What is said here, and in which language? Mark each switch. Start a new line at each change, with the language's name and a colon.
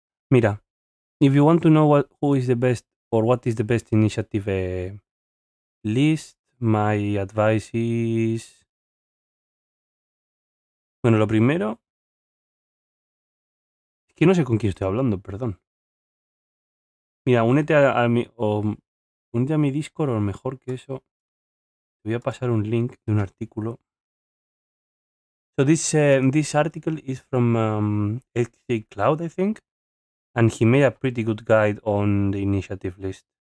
English: Mira, if you want to know what, who is the best or what is the best initiative list, my advice is...
Spanish: Bueno, lo primero... Que no sé con quién estoy hablando, perdón. Mira, únete a mi. O, únete a mi Discord, o mejor que eso. Te voy a pasar un link de un artículo.
English: So this this article is from XC Cloud, I think. And he made a pretty good guide on the initiative list.